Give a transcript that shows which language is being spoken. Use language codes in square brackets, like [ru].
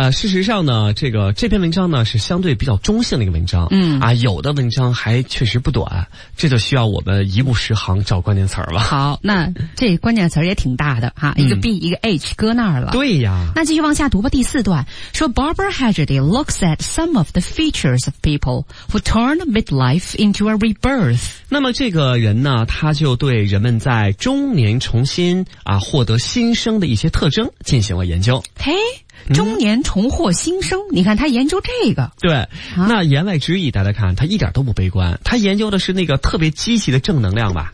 [zh] 事实上呢，这篇文章呢是相对比较中性的一个文章。嗯。啊，有的文章还确实不短。这就需要我们一目十行找关键词了。好，那这关键词也挺大的哈、一个 B, 一个 H 搁那儿了。对呀。那继续往下读吧，第四段。 [en] 说 Barbara Hagerty looks at some of the features of people who turn midlife into a rebirth。 [zh] 那么这个人呢，他就对人们在中年重新获得新生的一些特征进行了研究。嘿，中年重获新生，你看他研究这个。对，那言外之意大家看，他一点都不悲观，他研究的是那个特别积极的正能量吧。